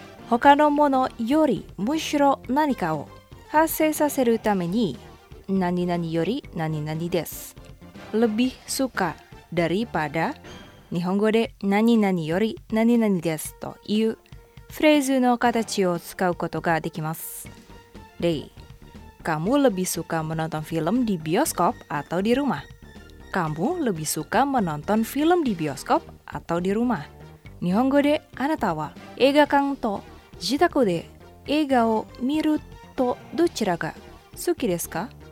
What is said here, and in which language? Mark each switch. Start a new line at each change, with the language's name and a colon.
Japanese: 他のものよりむしろ何かを発生させるために何々より何々です。
Indonesian: Lebih suka daripada
Japanese: 日本語で何々より何々ですというフレーズの形を使うことができます。
Indonesian: 例、Kamu lebih suka menonton film di bioskop atau di rumah? Kamu lebih suka menonton film di bioskop atau di rumah?
Japanese: 日本語であなたは映画館と自宅で映画を見るとどちらが好きですか?